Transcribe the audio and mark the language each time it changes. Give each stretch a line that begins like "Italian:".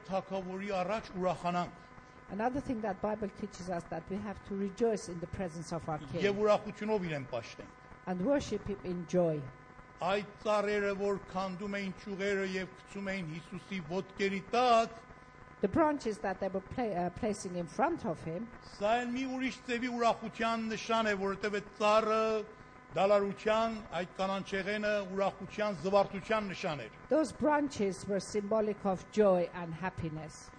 English: Another thing that Bible teaches us that we have to rejoice in the presence of our King. And worship him in joy.
Armenian: Այդ ծառերը, որ քանդում էին ճյուղերը եւ գցում էին Հիսուսի ոտքերի տակ,
English: The branches that they were placing in front of him. Those branches were symbolic of joy and happiness.